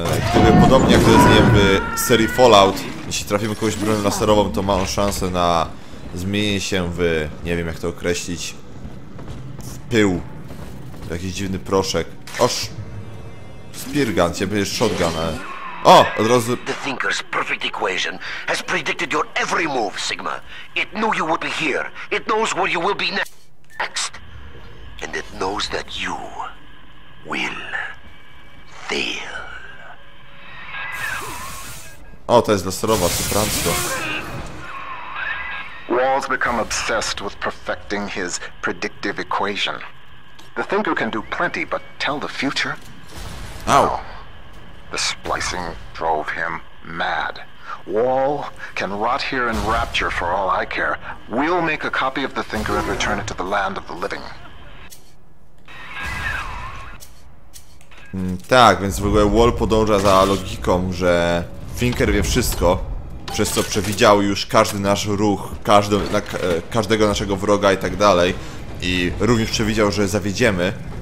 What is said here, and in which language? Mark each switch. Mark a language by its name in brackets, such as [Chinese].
[Polish] Gdyby podobnie jak to jest, nie wiem, by serii Fallout, jeśli trafimy kogoś bronią laserową, to ma on szansę na zmienienie się w, nie wiem jak to określić, w pył. Jakiś dziwny proszek. Oż! Spirgun, ciebie jest shotgun, ale... O, od razu... [English] The Thinker's perfect equation has predicted your every move, Sigma. It knew you would be here. It knows where you will be next. And it knows that you will fail. [Polish] O, to jest laserowa, to prawda. [English] Walls become obsessed with perfecting his predictive equation. The Thinker can do plenty, but tell the future? Ow. The splicing drove him mad. Wall can rot here in rapture for all I care. We'll make a copy of the Thinker and return it to the land of the living. [Polish] Tak, więc w ogóle Wall podąża za logiką, że Thinker wie wszystko, przez co przewidział już każdy nasz ruch, każdego naszego wroga i tak dalej. I również przewidział, że zawiedziemy.